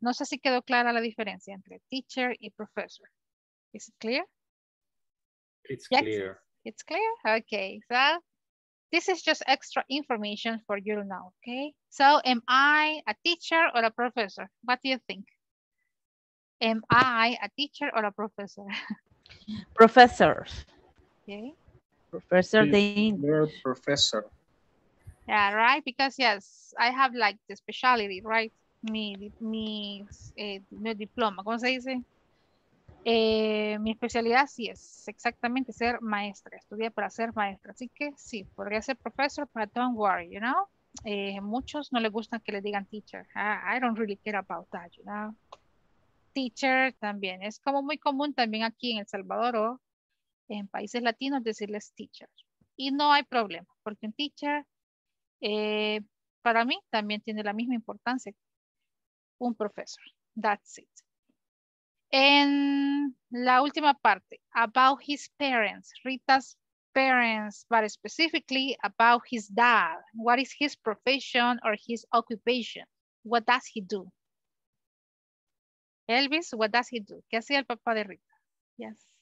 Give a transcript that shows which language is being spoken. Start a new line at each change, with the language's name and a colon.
Spanish: No sé si quedó clara la diferencia entre teacher y professor.
English: Is it clear? It's yes. Clear. It's clear? Okay. So this is just extra information for you to know, okay? So am I a teacher or a professor? What do you think? Am I a teacher or a professor? Professor. Okay. Professor the English. You're a professor. Yeah, right? Because yes, I have like the specialty, right?
Spanish: Mi diploma, ¿cómo se dice? Mi especialidad sí es exactamente ser maestra, estudié para ser maestra, así que sí, podría ser profesor,
English: but don't worry, you know?
Spanish: Muchos no les gustan que les digan
English: teacher, I don't really care about that, you know?
Spanish: Teacher también, es como muy común también aquí en El Salvador o en países latinos decirles teacher, y no hay problema, porque un teacher para mí también tiene la misma importancia un profesor,
English: that's it.
Spanish: En la última parte,
English: about his parents, Rita's parents, but specifically about his dad. What is his profession or his occupation? What does he do? Elvis, what does he do?
Spanish: ¿Qué hacía el papá de Rita?
English: Yes.